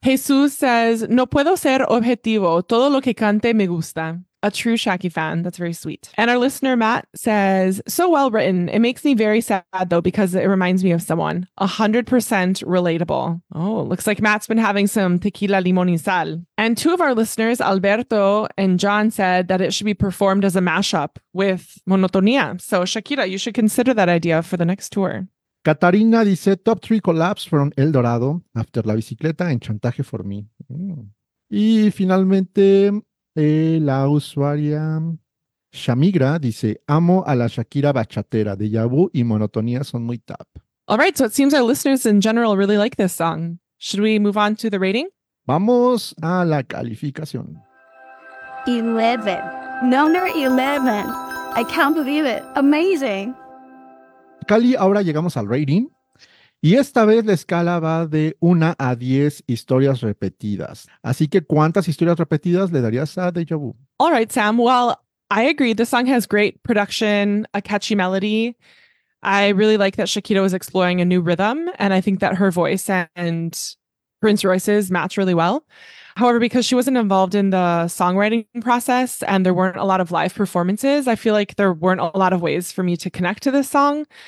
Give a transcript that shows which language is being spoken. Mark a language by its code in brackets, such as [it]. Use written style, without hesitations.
[en] Jesús says, [es] no puedo ser objetivo, todo lo que cante me gusta. [en] A true Shaki fan, that's very sweet. And our listener Matt says, so well written, it makes me very sad though because it reminds me of someone. 100% relatable. Oh, looks like Matt's been having some tequila, limón y sal. And two of our listeners, Alberto and John, said that it should be performed as a mashup with Monotonía. So Shakira, you should consider that idea for the next tour. [es] Catarina dice, [en] top three collabs from El Dorado, After La Bicicleta and Chantaje for Me. Mm. [es] Y finalmente, la usuaria Shamigra dice, amo a la Shakira bachatera. Deja vu y monotonía son muy top. [en] All right, so it seems our listeners in general really like this song. Should we move on to the rating? [es] Vamos a la calificación. [en] 11. Number 11. I can't believe it. Amazing. [es] Cali, ahora llegamos al rating. Y esta vez la escala va de 1 a 10 historias repetidas. Así que, ¿cuántas historias repetidas le darías a Deja Vu? [en] All right, Sam. Well, I agree. This song has great production, a catchy melody. I really like that Shakira was exploring a new rhythm, and I think that her voice and Prince Royce's match really well. However, because she wasn't involved in the songwriting process and there weren't a lot of live performances, I feel like there weren't a lot of ways for me to connect to this song.